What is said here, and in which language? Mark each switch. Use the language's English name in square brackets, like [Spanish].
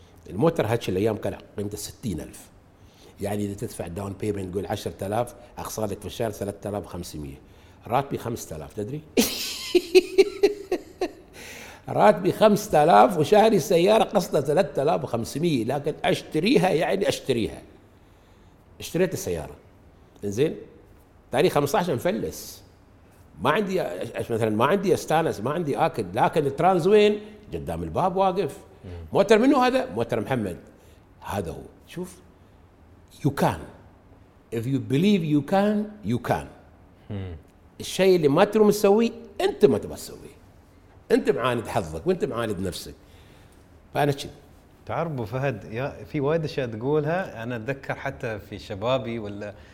[Arabic] الموتر هاتش الأيام كان قيمته 60,000، يعني إذا تدفع داون بيمنت تقول 10,000، أقساطك في الشهر 3,500، راتبي 5,000 تدري؟ راتبي 5,000 وشهري سيارة قصدها 3,500، لكن أشتريها يعني أشتريها. اشتريت السيارة إنزين، تاريخ 15 مفلس، ما عندي مثلاً، ما عندي استانس، ما عندي آكل، لكن الترانز وين؟ قدام الباب واقف. موتر منه هذا؟ موتر محمد. هذا هو. [English] شوف you can if you believe you can. [Arabic] الشيء اللي ما تروم تسويه انت ما تبغى تسويه، انت معاند حظك وانت معاند نفسك. فانا كذا تعرف ابو فهد، يا في وايد اشياء تقولها. انا اتذكر حتى في شبابي ولا